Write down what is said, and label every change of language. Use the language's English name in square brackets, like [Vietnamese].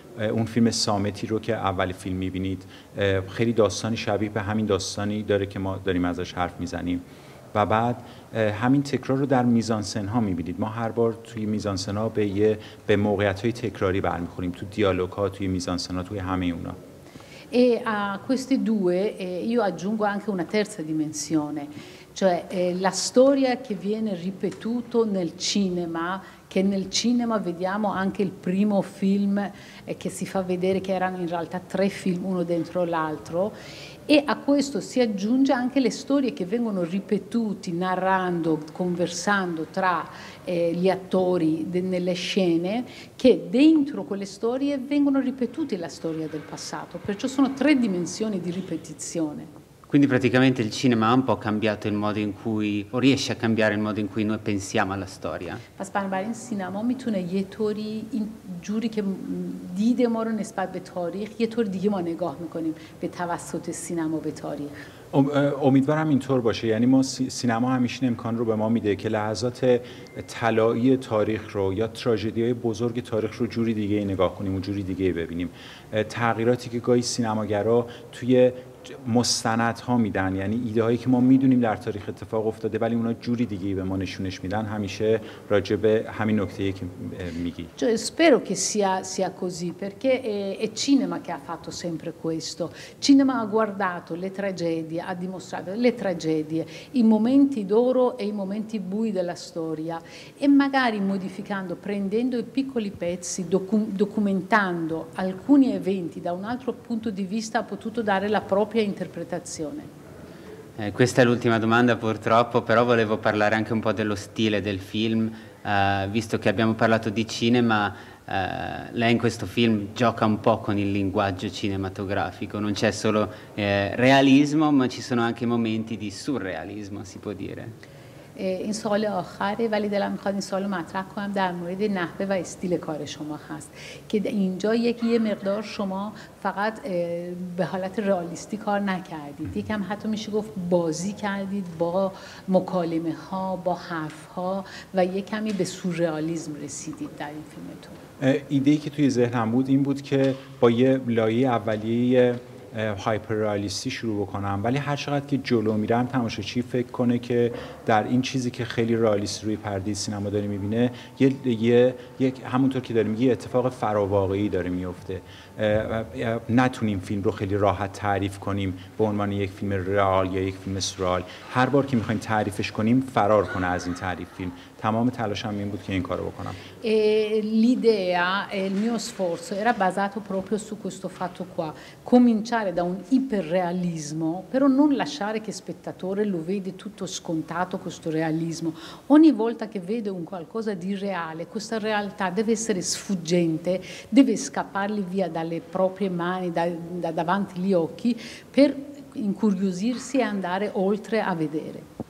[Persian] اون فیلم سامتی رو که اول فیلم میبینید، خیلی داستانی شبیه به همین داستانی داره که ما داریم ازش حرف میزنیم. و بعد همین تکرار رو در میزانسن ها میبینید. ما هر بار توی میزانسن ها به موقعیت های تکراری برمیخوریم، تو دیالوگ ها، توی میزانسن ها، توی همه اونا. [Italian] E a questi due io aggiungo anche una terza dimensione, cioè la storia che viene ripetuta nel cinema, che nel cinema vediamo anche il primo film che si fa vedere che erano in realtà tre film uno dentro l'altro, e a questo si aggiunge anche le storie che vengono ripetute narrando, conversando tra gli attori nelle scene, che dentro quelle storie vengono ripetute la storia del passato. Perciò sono tre dimensioni di ripetizione. Quindi praticamente il cinema ha un po' cambiato il modo in cui, o riesce a cambiare il modo in cui noi pensiamo alla storia. [Persian] پس بنابراین سینما میتونه یه طوری این جوری که دید ما رو نسبت به تاریخ یه طور دیگه ما نگاه میکنیم به توسط سینما به تاریخ. امیدوارم اینطور باشه. یعنی ما سینما همیشه امکان رو به ما میده که لحظات طلایی تاریخ رو یا تراژدی های بزرگ تاریخ رو جوری دیگه نگاه کنیم و جوری دیگه ببینیم. تغییراتی که گاهی سینماگرها توی مستندها میدن، یعنی ایده هایی که ما میدونیم در تاریخ اتفاق افتاده ولی اونا جوری دیگه به ما نشونش میدن، همیشه راجع به همین نکته که میگی. [Italian] Cioè, spero che sia così, perché è cinema che ha fatto sempre questo. Cinema ha guardato le tragedie, ha dimostrato le tragedie, i momenti d'oro e i momenti bui della storia, e magari modificando, prendendo i piccoli pezzi, documentando alcuni eventi da un altro punto di vista, ha potuto dare la propria interpretazione. Questa è l'ultima domanda purtroppo, però volevo parlare anche un po' dello stile del film, visto che abbiamo parlato di cinema, lei in questo film gioca un po' con il linguaggio cinematografico, non c'è solo realismo, ma ci sono anche momenti di surrealismo, si può dire. [Persian] این سوال آخره، ولی دلم میخواد این سوال رو مطرح کنم در مورد نحوه و استیل کار شما هست، که اینجا یه مقدار شما فقط به حالت رئالیستی کار نکردید، یکم حتی میشه گفت بازی کردید با مکالمه ها، با حرف ها، و یه کمی به سورئالیسم رسیدید در این فیلمتون. ایده ای که توی ذهنم بود این بود که با یه لایه اولیه هایپررئالیستی شروع بکنم ولی هر چقدر که جلو میرم تماشاچی فکر کنه که در این چیزی که خیلی رئالیست روی پرده سینما داره میبینه یک همونطور که داریم یه اتفاق فراواقعی داره میفته نتونیم فیلم رو خیلی راحت تعریف کنیم به عنوان یک فیلم رئال یا یک فیلم سورال هر بار که میخوایم تعریفش کنیم فرار کنه از این تعریف فیلم تمام تلاشم این بود که این کارو بکنم [Italian] l'idea il mio sforzo era basato proprio su questo fatto qua cominciare da un iperrealismo però non lasciare che spettatore lo vede tutto scontato questo realismo ogni volta che vede un qualcosa di reale questa realtà deve essere sfuggente deve scappargli via dalle proprie mani da davanti gli occhi per incuriosirsi e andare oltre a vedere.